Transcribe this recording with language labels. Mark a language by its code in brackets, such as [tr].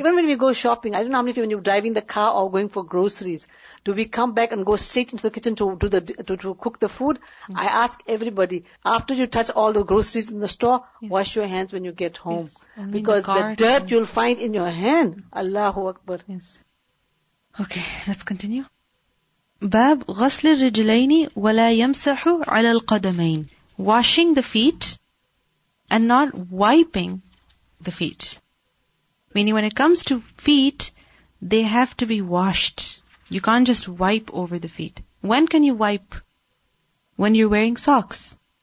[en] Even when we go shopping, I don't know how many of you, when you're driving the car or going for groceries, do we come back and go straight into the kitchen to do the to cook the food? Mm. I ask everybody, after you touch all the groceries in the store, yes, wash your hands when you get home. Yes. Because the dirt you'll find in your hand, Allahu Akbar. Yes. Okay, let's continue. [ar] Bab غسل الرجلين ولا يمسح على القدمين. [en] Washing the feet and not wiping the feet. Meaning, when it comes to feet, they have to be washed. You can't just wipe over the feet. When can you wipe? When you're wearing socks.